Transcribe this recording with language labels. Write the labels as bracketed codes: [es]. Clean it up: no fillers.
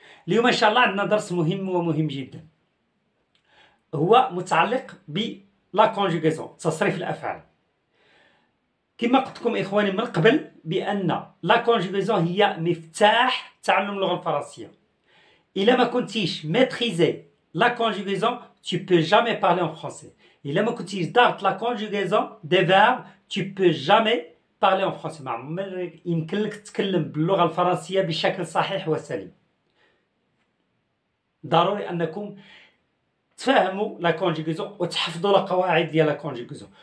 [ar] اليوم إن شاء الله عندنا درس مهم ومهم جدا، هو متعلق بلا كونجوغيزون، تصريف الافعال. كما قلت لكم اخواني من قبل بان لا كونجوغيزون هي مفتاح تعلم اللغه الفرنسيه. الا ما كنتيش [fr] ميتريزي لا كونجوغيزون tu peux jamais parler en français. [ar] الا ما كنتيش دارت لا كونجوغيزون دي فيرب [fr] tu peux jamais parler en français. [ar] ما عمرك يمكن لك تتكلم باللغه الفرنسيه بشكل صحيح وسليم. ضروري انكم تفهموا لا كونجوغيزون وتحفظوا القواعد ديال لا كونجوغيزون.